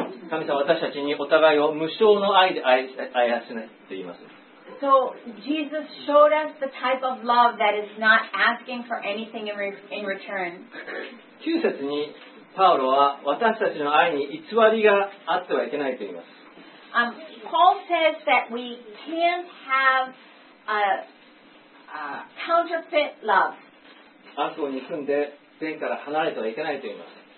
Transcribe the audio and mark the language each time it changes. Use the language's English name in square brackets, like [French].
[Japanese] 神様は私たちにお互いを無償の愛で愛やすねと言います。 [English] So Jesus showed us the type of love that is not asking for anything in return. [Japanese] 9節にパウロは私たちの愛に偽りがあってはいけないと言います。 [English] Paul says that we can't have a counterfeit love. [Japanese] 悪を憎んで善から離れてはいけないと言います。